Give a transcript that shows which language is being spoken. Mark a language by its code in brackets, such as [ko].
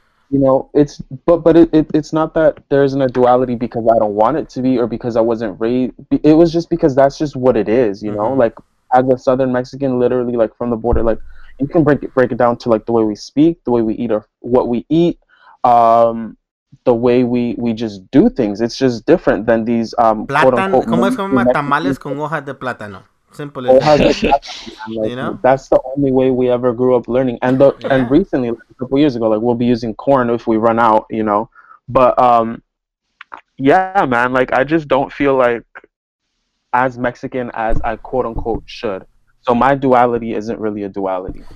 [en] You know, it's but it's not that there isn't a duality because I don't want it to be or because I wasn't raised. It was just because that's just what it is, you know? Mm-hmm. Like, as a Southern Mexican, literally, like, from the border, like, you can break it down to, like, the way we speak, the way we eat or what we eat, the way we just do things. It's just different than these, quote-unquote, [es] ¿cómo es como tamales con hojas de plátano? [en] Simple as that. Like, you know? That's the only way we ever grew up learning. And and recently, like a couple years ago, like we'll be using corn if we run out, you know. But yeah, man, like I just don't feel like as Mexican as I quote unquote should. So my duality isn't really a duality.